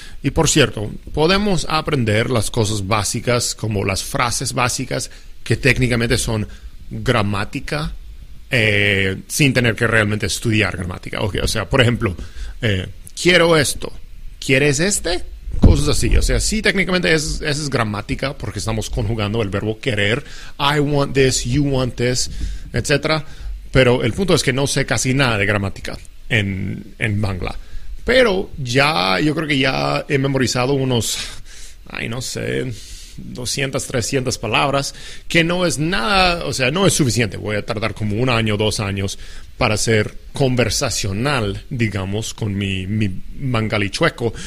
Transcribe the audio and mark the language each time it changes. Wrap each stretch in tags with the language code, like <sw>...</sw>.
<es>Y por cierto, podemos aprender las cosas básicas como las frases básicas que técnicamente son gramática sin tener que realmente estudiar gramática. Okay, o sea, por ejemplo, quiero esto. ¿Quieres este? cosas así. O sea, sí, técnicamente esa es gramática, porque estamos conjugando el verbo querer.</es> <en>I want this, you want this, etc.</en> <es>Pero el punto es que no sé casi nada de gramática en Bangla. Pero ya, yo creo que ya he memorizado unos, ay, no sé, 200, 300 palabras, que no es nada, o sea, no es suficiente. Voy a tardar como un año, dos años para ser conversacional, digamos, con mi bangalí chueco.</es>